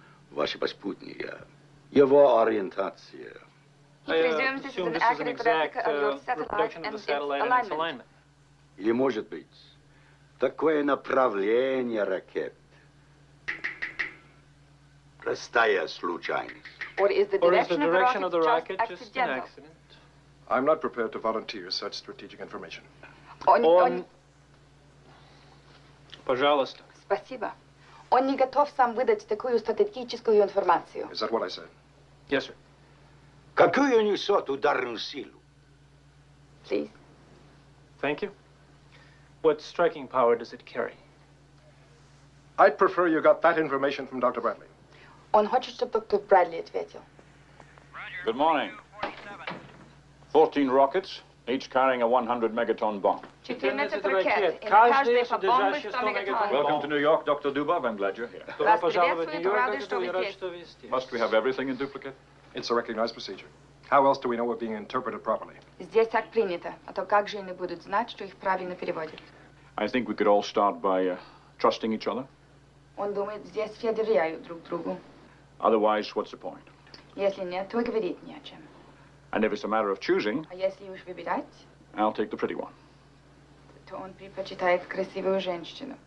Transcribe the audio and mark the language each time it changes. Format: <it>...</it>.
<ru>Ваши поспутники, его ориентация.</ru> <en>He presumes this is an accurate replica of your satellite and its alignment.</en> <ru>И может быть, такое направление ракет. Простая случайность.</ru> <en>Or is the direction of the rocket just an accident? I'm not prepared to volunteer such strategic information.</en> <ru>Пожалуйста. Спасибо. Он не готов сам выдать такую стратегическую информацию.</ru> <en>Is that what I said? Yes, sir.</en> <ru>Какую несет ударную силу?</ru> <en>Please. Thank you. What striking power does it carry? I'd prefer you got that information from Dr. Bradley.</en> <ru>Он хочет, чтобы доктор Брэдли ответил.</ru> <en>Good morning. 14 rockets, each carrying a 100 megaton bomb. Welcome to New York, Dr. Dubov. I'm glad you're here. Must we have everything in duplicate? It's a recognized procedure. How else do we know we're being interpreted properly?</en> <ru>Здесь так принято, а то как же они будут знать, что их правильно переводят?</ru> <en>I think we could all start by trusting each other.</en> <ru>Он думает, здесь все доверяют друг другу.</ru> <en>Otherwise, what's the point?</en> <ru>Если нет, то и говорить не о чем.</ru> <en>And if it's a matter of choosing,</en> <ru>а если уж выбирать,</ru> <en>I'll take the pretty one.</en> <ru>То он предпочитает красивую женщину.</ru>